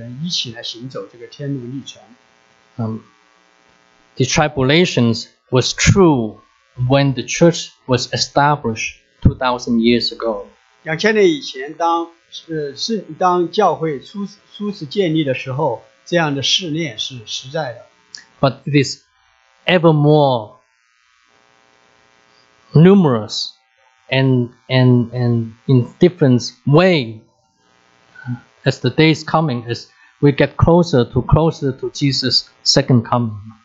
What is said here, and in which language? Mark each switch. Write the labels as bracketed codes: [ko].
[zh] 所以我们基督徒要彼此要成为帮手，成为互相成为守望的人，一起来行走这个天路历程。 [en] The tribulations was true when the church was established 2,000 years ago. [zh] 2,000年以前，当教会初次建立的时候。 [en] But it is ever more numerous and in different way as the day is coming, as we get closer to Jesus' second coming.